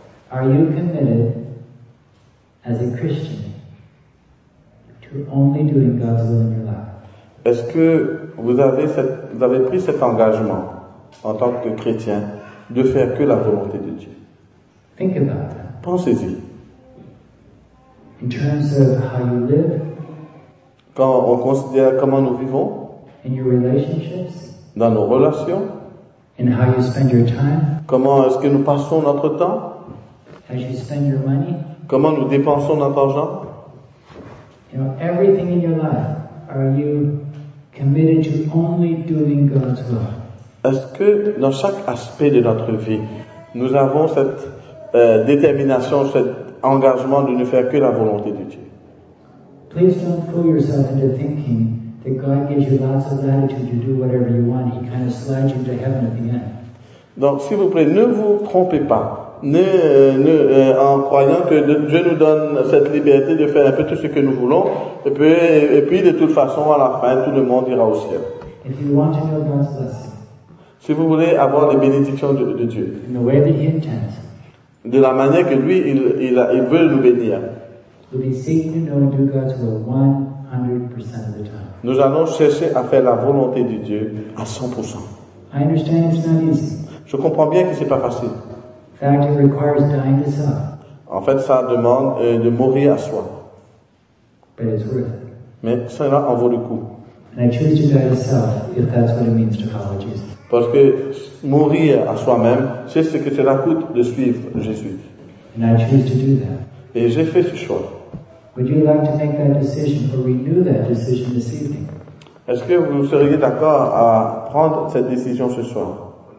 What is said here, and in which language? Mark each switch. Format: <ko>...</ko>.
<en>Are you committed as a Christian to only doing God's will in your life?</en> <fr>Est-ce que vous avez pris cet engagement en tant que chrétien de faire que la volonté de Dieu?</fr> <en>Think about that.</en> <fr>Pensez-y.</fr> <en>In terms of how you live,</en> <fr>quand on considère comment nous vivons,</fr> <en>in your relationships,</en> <fr>dans nos relations,</fr> <en>in how you spend your time,</en> <fr>comment est-ce que nous passons notre temps,</fr> <en>as you spend your money,</en> <fr>comment nous dépensons notre argent,</fr> <en>you know, everything in your life, are you committed to only doing God's will?</en> <fr>Est-ce que dans chaque aspect de notre vie, nous avons cette détermination, cet engagement de ne faire que la volonté de Dieu.</fr> <en>Please don't fool yourself into thinking that God gives you lots of latitude to do whatever you want. He kind of slides you to heaven at the end.</en> <fr>Donc, s'il vous plaît, ne vous trompez pas. En croyant que Dieu nous donne cette liberté de faire un peu tout ce que nous voulons, et puis de toute façon, à la fin, tout le monde ira au ciel.</fr> <en>If you want to know God's blessing,</en> <fr>si vous voulez avoir les bénédictions de Dieu,</fr> <en>in the way that he intends,</en> <fr>de la manière que lui, il veut nous bénir, nous allons chercher à faire la volonté de Dieu à 100%.</fr> <en>I understand it's not easy.</en> <fr>Je comprends bien que ce n'est pas facile.</fr> <en>Fact, it requires dying to self.</en> <fr>En fait, ça demande de mourir à soi.</fr> <en>But it's worth it.</en> <fr>Mais cela en vaut le coup.</fr> <en>And I choose to die to self if that's what it means to follow Jesus.</en> <fr>Parce que mourir à soi-même, c'est ce que cela coûte de suivre Jésus.</fr> <en>And I choose to do that.</en> <fr>Et j'ai fait ce choix.</fr> <en>Would you like to make that decision or renew that decision this evening?</en> <fr>Est-ce que vous seriez d'accord à prendre cette décision ce soir?</fr>